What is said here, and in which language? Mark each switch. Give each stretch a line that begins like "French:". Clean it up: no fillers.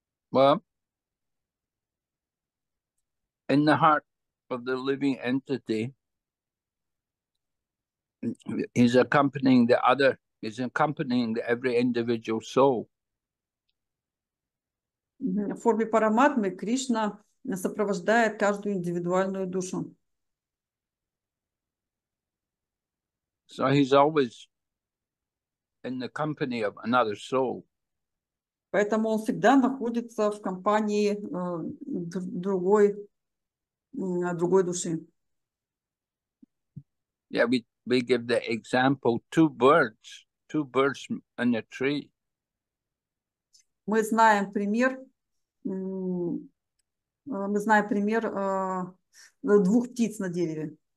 English: Well, in the heart of the living entity, he's accompanying the every individual soul.
Russian: В форме параматмы Кришна сопровождает каждую индивидуальную душу.
English: So he's always in the company of another soul.
Russian: Поэтому он всегда находится в компании другой души.
English: Yeah, we give the example two birds in a tree.
Russian: Мы знаем пример двух птиц на дереве.